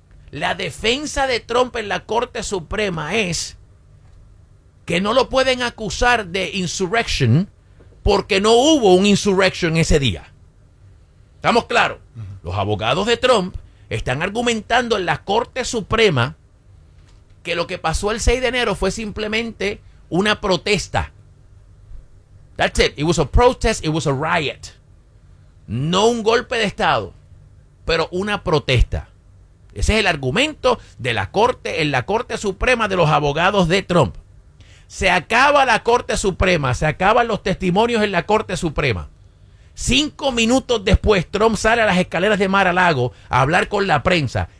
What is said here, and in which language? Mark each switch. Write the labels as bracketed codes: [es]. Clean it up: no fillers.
[es] La defensa de Trump en la Corte Suprema es que no lo pueden acusar de insurrection porque no hubo un insurrection ese día. ¿Estamos claros? Los abogados de Trump están argumentando en la Corte Suprema que lo que pasó el 6 de enero fue simplemente una protesta. [en] That's it. It was a protest, it was a riot. [es] No un golpe de Estado, pero una protesta. Ese es el argumento de la Corte, en la Corte Suprema, de los abogados de Trump. Se acaba la Corte Suprema, se acaban los testimonios en la Corte Suprema. 5 minutos después, Trump sale a las escaleras de Mar-a-Lago a hablar con la prensa.